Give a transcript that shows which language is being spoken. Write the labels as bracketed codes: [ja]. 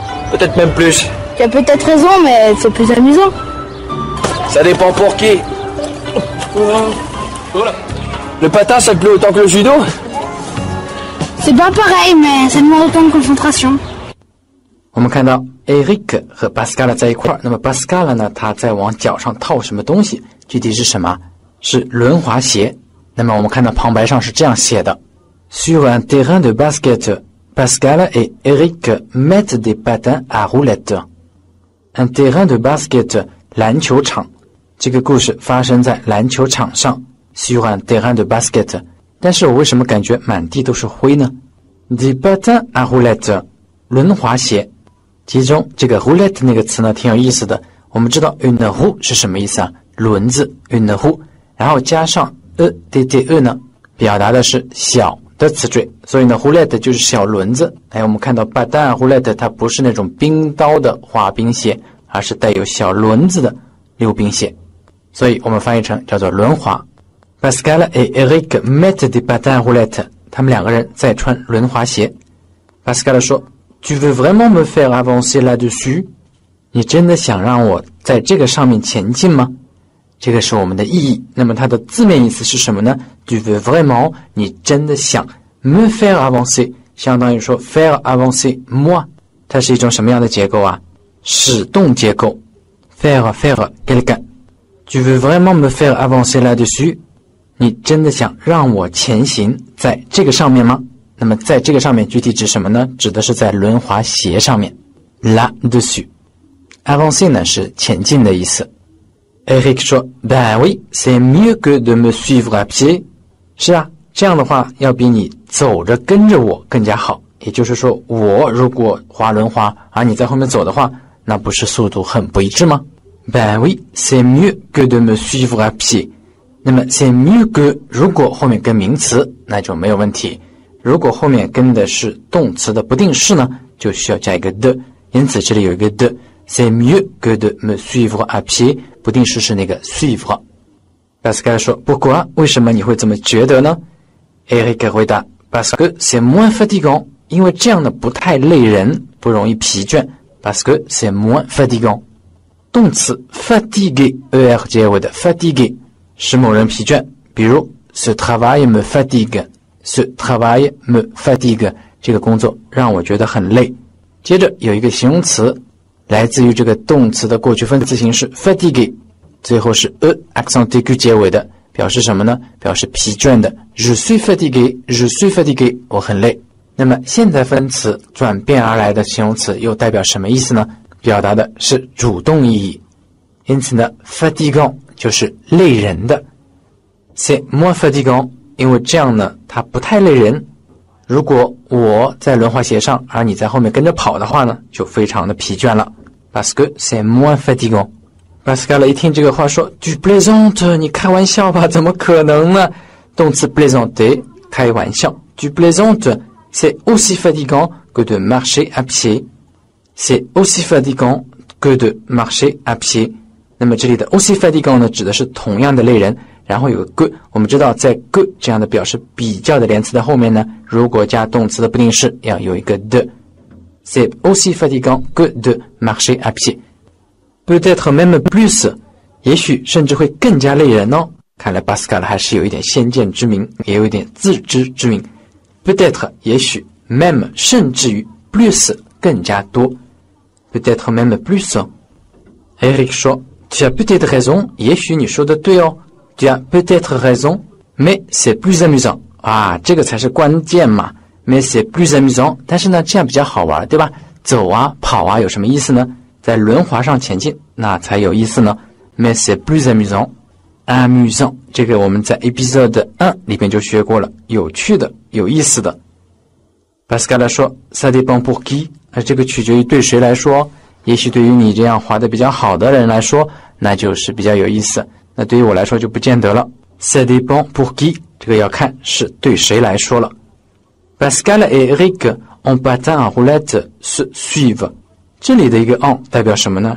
[fr] Peut-être même plus. Tu as peut-être raison, mais c'est plus amusant. Ça dépend pour qui. Le patin, ça te plaît autant que le judo? C'est pas pareil, mais ça demande autant de concentration. On me canard. [zh] Eric 和 Pascal 在一块儿，那么 Pascal 呢？他在往脚上套什么东西？具体是什么？是轮滑鞋。那么我们看到旁白上是这样写的 [fr] ：Sur un terrain de basket, Pascal et Eric mettent des patins à roulettes. Un terrain de basket, [zh] 篮球场。这个故事发生在篮球场上 ， [fr] sur un terrain de basket。 [zh] 但是我为什么感觉满地都是灰呢 ？ [fr] Des patins à roulettes, [zh] 轮滑鞋。其中这个 roulette 那个词呢挺有意思的，我们知道 une roue 是什么意思啊，轮子 une roue， 然后加上 e 呢表达的是小的词缀，所以呢 roulette 就是小轮子。哎，我们看到 patin roulette 它不是那种冰刀的滑冰鞋，而是带有小轮子的溜冰鞋，所以我们翻译成叫做轮滑。 [fr] Pascal et Eric mettent des patins roulette， [zh] 他们两个人在穿轮滑鞋。 [fr] Pascal 说Tu veux vraiment me faire avancer là-dessus? [zh] 你真的想让我在这个上面前进吗？这个是我们的意义。那么它的字面意思是什么呢？ [fr] Tu veux vraiment? [zh] 你真的想 [fr] me faire avancer? [zh] 相当于说 [fr] faire avancer moi? [zh] 它是一种什么样的结构啊？使动结构。 [fr] faire quelqu'un. Tu veux vraiment me faire avancer là-dessus? [zh] 你真的想让我前行在这个上面吗？那么在这个上面具体指什么呢？指的是在轮滑鞋上面。là-dessus。 avancer 呢是前进的意思。 [fr] Eric 说 ,ben oui, c'est mieux que de me suivre à pied。 [zh] 是啊，这样的话要比你走着跟着我更加好。也就是说我如果滑轮滑而你在后面走的话，那不是速度很不一致吗？ [fr] ben oui, c'est mieux que de me suivre à pied。 [zh] 那么 [fr] c'est mieux que, [zh] 如果后面跟名词那就没有问题。如果后面跟的是动词的不定式呢，就需要加一个的，因此这里有一个的 [fr] c'est mieux que de me suivre à pied， [zh] 不定式是那个 suivre。 Pascal 说 [fr] pourquoi， [zh] 为什么你会这么觉得呢？Eric 回答 [fr] parce que c'est moins fatigant， [zh] 因为这样的不太累人，不容易疲倦。 [fr] parce que c'est moins fatigant， [zh] 动词 [fr] fatiguer [zh] 结尾的 [fr] fatiguer [zh] 使某人疲倦，比如 [fr] ce travail me fatigue。Ce travail me fatigue， [zh] 这个工作让我觉得很累。接着有一个形容词，来自于这个动词的过去分词形式 fatigue， 最后是 accent aigu 结尾的，表示什么呢？表示疲倦的。 [fr] Je suis fatigué, je suis fatigué， [zh] 我很累。那么现在分词转变而来的形容词又代表什么意思呢？表达的是主动意义。因此呢 fatigant 就是累人的。 [fr] C'est moins fatigant， [zh] 因为这样呢它不太累人。如果我在轮滑鞋上而你在后面跟着跑的话呢，就非常的疲倦了。 [fr] Parce que c'est moins fatigant。 [zh] Pascal 一听这个话说 [fr] Tu plaisantes， [zh] 你开玩笑吧，怎么可能呢？动词 plaisanter， 开玩笑。 [fr] Tu plaisantes， c'est aussi fatigant que de marcher à pied。 C'est aussi fatigant que de marcher à pied。 [zh] 那么这里的 aussi fatigant 呢，指的是同样的累人，然后有个 que， 我们知道在 que 这样的表示比较的连词的后面呢，如果加动词的不定式要有一个 de。 [fr] C'est aussi fatigant que de marcher à pied， peut-être même plus， [zh] 也许甚至会更加累人哦。看来 Pascal 还是有一点先见之明，也有一点自知之明。 peut-être 也许， même 甚至于， plus 更加多， peut-être même plus。 Eric 说 [fr] Tu as peut-être raison， [zh] 也许你说的对哦。 [fr] Tu as peut-être raison, mais c'est plus amusant. [zh] 啊，这个才是关键嘛。 [fr] Mais c'est plus amusant. [zh] 但是呢，这样比较好玩，对吧？走啊，跑啊，有什么意思呢？在轮滑上前进，那才有意思呢。 [fr] Mais c'est plus amusant. Amusant. [zh] 这个我们在 episode 1里面就学过了。有趣的，有意思的。 [fr] Pascal 说 Ça dépend pour qui? [zh] 这个取决于对谁来说。也许对于你这样滑得比较好的人来说，那就是比较有意思。那对于我来说就不见得了。 [fr] C'est des bons pour qui， [zh] 这个要看是对谁来说了。 [fr] Pascal et Eric en patin à roulette se suivent， [zh] 这里的一个 [fr] en [zh] 代表什么呢？